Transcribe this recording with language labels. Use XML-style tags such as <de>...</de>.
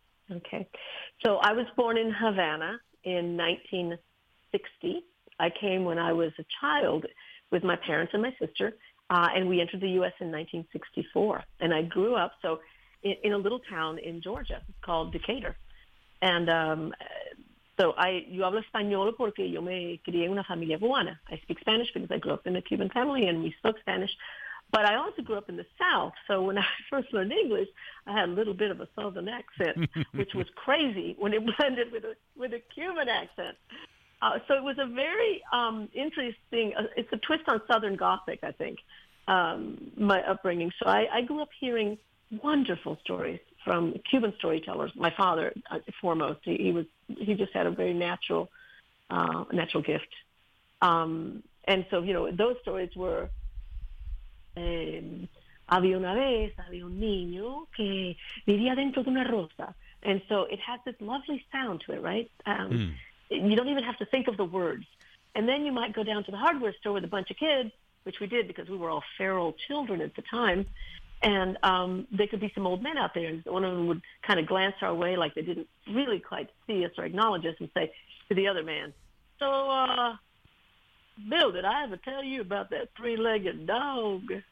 <en>Okay. So I was born in Havana in 1960. I came when I was a child with my parents and my sister, and we entered the U.S. in 1964. And I grew up in a little town in Georgia called Decatur.</en> <es>And yo hablo español porque yo me crié en una familia cubana.</es> <en>I speak Spanish because I grew up in a Cuban family and we spoke Spanish. But I also grew up in the South, so when I first learned English, I had a little bit of a Southern accent, which was crazy when it blended with a Cuban accent. So it was a very interesting, it's a twist on Southern Gothic, I think, my upbringing. So I grew up hearing wonderful stories from Cuban storytellers, my father foremost. He just had a very natural gift. And so, you know, those stories were,</en> <es>había una vez, había un niño que vivía dentro de una rosa.</es> <en>And so it has this lovely sound to it, right? You don't even have to think of the words. And then you might go down to the hardware store with a bunch of kids, which we did because we were all feral children at the time, and there could be some old men out there, and one of them would kind of glance our way like they didn't really quite see us or acknowledge us and say to the other man, so, Bill, did I ever tell you about that three-legged dog?</en>